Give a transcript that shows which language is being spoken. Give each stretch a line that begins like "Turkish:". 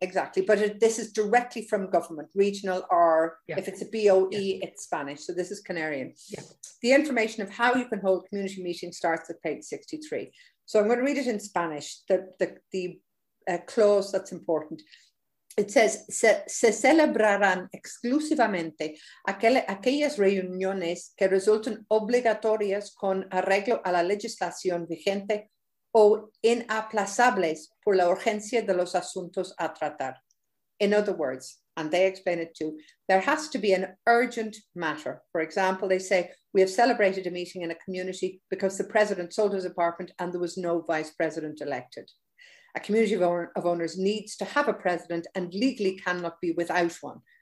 English: Exactly. But this is directly from government, regional, or if it's a BOE, it's Spanish. So this is Canarian. Yeah. The information of how you can hold community meetings starts at page 63. So I'm going to read it in Spanish, the clause that's important. It says,
Spanish: se celebrarán exclusivamente aquellas reuniones que resulten obligatorias con arreglo a la legislación vigente o inaplazables por la urgencia de los asuntos a tratar.
English: In other words, and they explain it too, there has to be an urgent matter. For example, they say, we have celebrated a meeting in a community because the president sold his apartment and there was no vice president elected. A community of owners needs to have a president and legally cannot be without one.